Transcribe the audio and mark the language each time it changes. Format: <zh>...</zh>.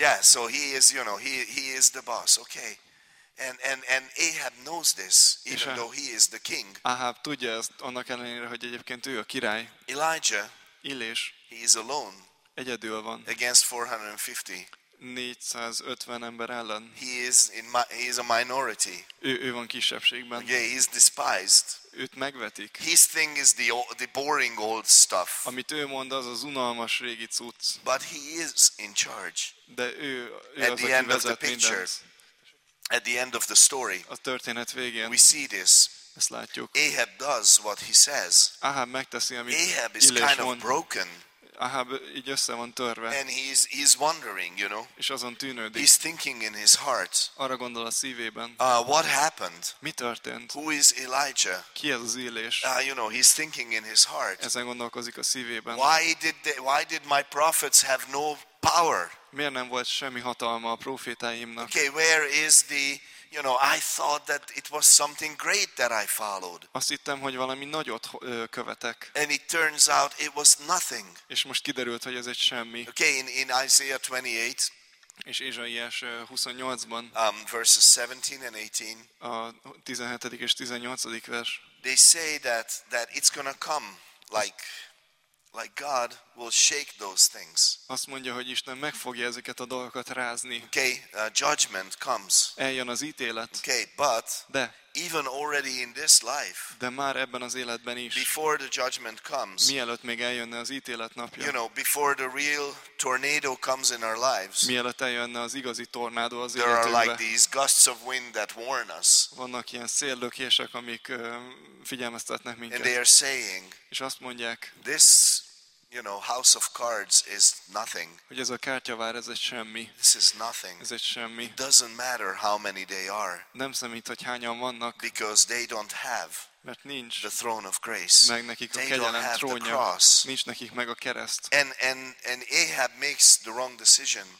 <en>Yeah, so he is, you know, he is the boss. Okay. And Ahab knows this, even though he is the king.</en> <hu>Ahab tudja ezt, annak ellenére, hogy egyébként ő a király.</hu> <en>Elijah.</en> <hu>Élés.</hu> <en>He is alone.</en> <hu>Egyedül van.</hu> <en>Against 450.</en> <hu>450 ember ellen.</hu> <en>He is a minority.</en> <hu>Ő van kisebbségben.</hu> <en>Yeah, he is despised.</en> <hu>Őt megvetik.</hu> <en>His thing is the boring old stuff.</en> <hu>Amit ő mond, az az unalmas régi cucc.</hu> <en>But he is in charge.</en> <hu>De ő</hu> <en>at the end of the picture. At the end of the story.</en> <hu>A történet végén.</hu> <en>We see this.</en> <hu>Ezt látjuk.</hu> <en>Ahab does what he says.</en> <hu>Ahab megteszi, amit</hu> <en>Ahab is kind of broken.</en> <hu>Ahab így össze van törve.</hu> <en>And he's wondering, you know.</en> <hu>És azon tűnődik.</hu> <en>He's thinking in his heart.</en> <hu>Arra gondol a szívében.</hu> <en>What happened?</en> <hu>Mi történt?</hu> <en>Who is Elijah?</en> <hu>Ki ez az Élés?</hu> <en>You know, he's thinking in his heart.</en> <hu>Ezen gondolkozik a szívében.</hu> <en>Why did my prophets have no power?</en> <hu>Miért nem volt semmi hatalma a prófétáimnak?</hu> <en>Okay, where is the, you know, I thought that it was something great that I followed.</en> <hu>Azt hittem, hogy valami nagyot követek.</hu> <en>And it turns out it was nothing.</en> <hu>És most kiderült, hogy ez egy semmi.</hu> <en>Okay, in Isaiah 28.</en> <hu>És Ézsaiás 28-ban.</hu> <en>Verses 17 and 18.</en> <hu>A 17. és 18. vers.</hu> <en>They say that it's gonna come like God will shake those things.</en> <hu>Azt mondja, hogy Isten meg fogja ezeket a dolgokat rázni.</hu> <en>Okay, judgment comes.</en> <hu>Eljön az ítélet.</hu> <en>Okay, but</en> <hu>de</hu> <en>even already in this life.</en> <hu>De már ebben az életben is.</hu> <en>Before the judgment comes.</en> <hu>Mielőtt még eljönne az ítélet napja.</hu> <en>You know, before the real tornado comes in our lives.</en> <hu>Mielőtt eljönne az igazi tornádó az életünkbe.</hu> <en>There are like these gusts of wind that warn us.</en> <hu>Vannak ilyen széllökések, amik figyelmeztetnek minket.</hu> <en>And they are saying.</en> <hu>És azt mondják.</hu> <en>This, you know, house of cards is nothing.</en> <hu>Hogy ez a kártyavár, ez egy semmi.</hu> <en>This is nothing.</en> <hu>Ez egy semmi.</hu> <en>It doesn't matter how many they are.</en> <hu>Nem számít, hogy hányan vannak.</hu> <en>Because they don't have.</en> <hu>Mert nincs.</hu> <en>The throne of grace.</en> <hu>Meg nekik a kegyelem trónja. Nincs nekik meg a kereszt.</hu> <en>And Ahab makes the wrong decision.</en>